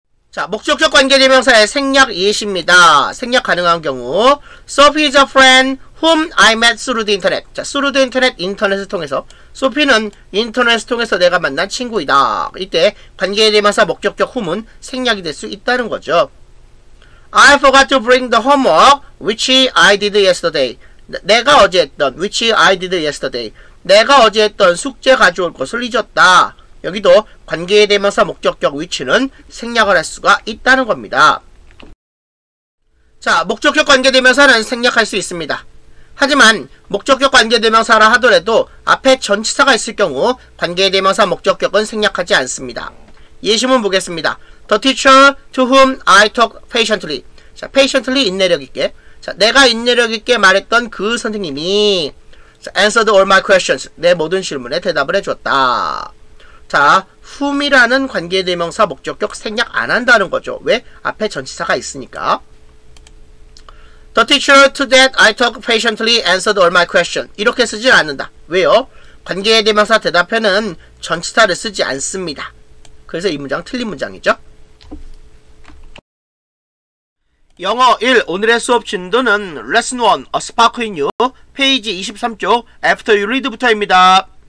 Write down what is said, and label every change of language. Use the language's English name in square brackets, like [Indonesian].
[Korean] 자, 목적격 관계대명사의 생략 예시입니다. 생략 가능한 경우 [English] Sophie is a friend whom I met through the internet. [Korean] 자, [English] through the internet, [Korean] 인터넷을 통해서 Sophie는 인터넷을 통해서 내가 만난 친구이다. 이때 관계대명사 목적격 whom은 생략이 될 수 있다는 거죠. [English] I forgot to bring the homework which I did yesterday. [Korean] 내가 어제 했던 [English] which I did yesterday. [Korean] 내가 어제 했던 숙제 가져올 것을 잊었다. 여기도 관계대명사 목적격 which는 생략을 할 수가 있다는 겁니다. 자, 목적격 관계대명사는 생략할 수 있습니다. 하지만 목적격 관계대명사라 하더라도 앞에 전치사가 있을 경우 관계대명사 목적격은 생략하지 않습니다. 예시문 보겠습니다. [English] The teacher to whom I talked patiently. [Korean] 자, patiently 인내력 있게. 자, 내가 인내력 있게 말했던 그 선생님이 [English] answered all my questions. [Korean] 내 모든 질문에 대답을 해줬다. 자, whom이라는 관계대명사 목적격 생략 안 한다는 거죠. 왜? 앞에 전치사가 있으니까. [English] The teacher to that I talked patiently answered all my questions. [Korean] 이렇게 쓰진 않는다. 왜요? 관계대명사 대답에는 전치사를 쓰지 않습니다. 그래서 이 문장 틀린 문장이죠. 영어 1. 오늘의 수업 진도는 레슨 1. A Spark in You 페이지 23쪽 After You Read부터입니다.